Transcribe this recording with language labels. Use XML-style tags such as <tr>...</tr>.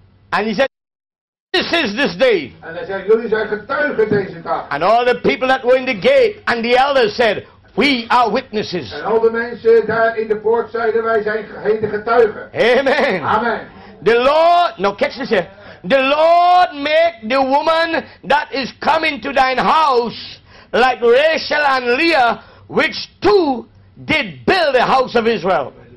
<en>And he said, this is this day.</en> <nl>En hij zei, jullie zijn getuigen deze dag.</nl> <en>And all the people that were in the gate and the elders said, we are witnesses.</en> <nl>En al de mensen daar in de poort zeiden, wij zijn geheende getuigen.</nl> <en>Amen.</en> <nl>Amen.</nl> <en>The Lord, now catch this here. The Lord make the woman that is coming to thine house like Rachel and Leah, which two did build the house of Israel.</en>